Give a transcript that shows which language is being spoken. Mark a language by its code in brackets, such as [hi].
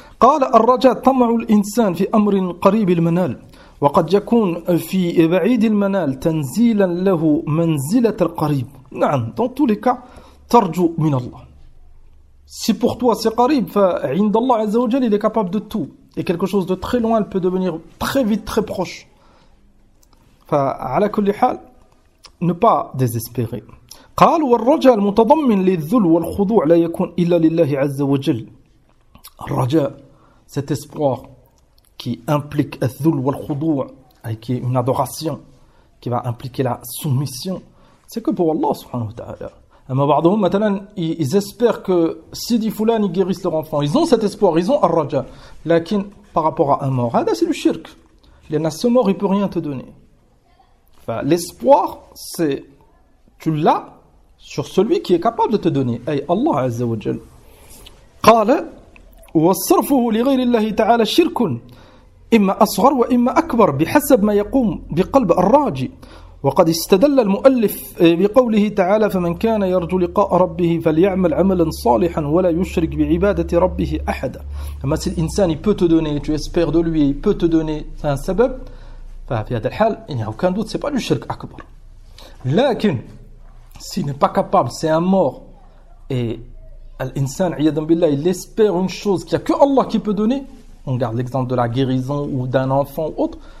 [ar] قال الرجاء طمع الإنسان في أمر قريب المنال وقد يكون في بعيد المنال تنزيلا له منزلة القريب. نعم. [fr] Dans tous les cas, [ar] ترجو من الله. [fr] Si pour toi c'est قريب, [ar] فعند الله عز وجل, [fr] il est capable de tout. Et quelque chose de très loin, il peut devenir très vite, très proche. [ar] فعلى كل حال, [fr] ne pas désespérer. [ar] قال والرجاء المتضمن للذل والخضوع لا يكون إلا لله عز وجل. [fr] Raja, cet espoir qui implique [ar] al-dhul wal-khudu', [fr] qui est une adoration, qui va impliquer la soumission, c'est que pour Allah [ar] subhanahu wa ta'ala. [fr] Mais [ar] ba'dhum, matalan, [fr] ils espèrent que Sidi Fulani guérisse leur enfant. Ils ont cet espoir, ils ont al-raja. [ar] Lakin, [fr] par rapport à un mort, c'est du shirk. Il y en a ce mort, il ne peut rien te donner. Enfin, l'espoir, c'est tu l'as sur celui qui est capable de te donner. [ar] Hey, Allah azza wa jal. Qala, وصرفه لغير الله تعالى شرك إما أصغر وإما أكبر بحسب ما يقوم بقلب الراجي وقد استدل المؤلف بقوله تعالى فمن كان يرجو لقاء ربه فليعمل عملا صالحا ولا يشرك بعبادة ربه أحدا. أما [fr] si l'insan il peut te donner, tu espères de lui, il peut te donner, c'est un sabab, [ar] ففي هذا الحال [fr] il n'y a aucun doute, c'est pas du shirk akbar. [ar] لكن [fr] s'il n'est pas capable, c'est un mort et l'insan, [ar] iyadam billah, [fr] il espère une chose qu'il n'y a que Allah qui peut donner. On garde l'exemple de la guérison ou d'un enfant ou autre.